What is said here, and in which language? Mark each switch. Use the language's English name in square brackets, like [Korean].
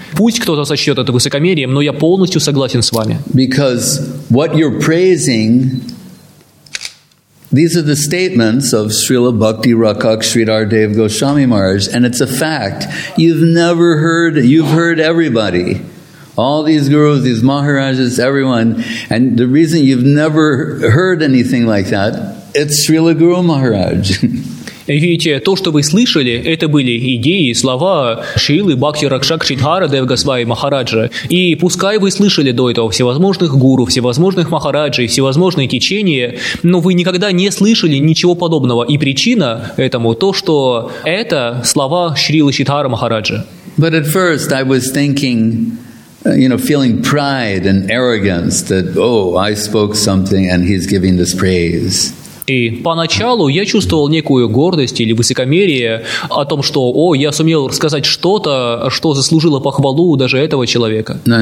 [Russian] Пусть кто-то сочтет это высокомерием, но я полностью согласен с вами. [English] Because what you're praising, these are the statements of Srila Bhakti Rakak Sridhar Dev Goswami Maharaj, and it's a fact. You've never heard, you've heard everybody. All these gurus, these maharajas, everyone, and the reason you've never heard anything like that, it's Srila Guru Maharaj. [Russian] Ведь то, что вы слышали, это были идеи, слова Шрилы Бхакти Ракшак Шридхара Девгасвай Махараджа. И пускай вы слышали до этого всевозможных гуру, всевозможных махараджей, всевозможные течения, но вы никогда не слышали ничего подобного. И причина этому то, что это слова Шрилы Шридхара Махараджа. [English] But at first I was thinking, you know, feeling pride and arrogance that, oh, I spoke something and he's giving this praise. [Russian] И поначалу я чувствовал некую гордость или высокомерие о том, что, о, я сумел рассказать что-то, что заслужило похвалу даже этого человека.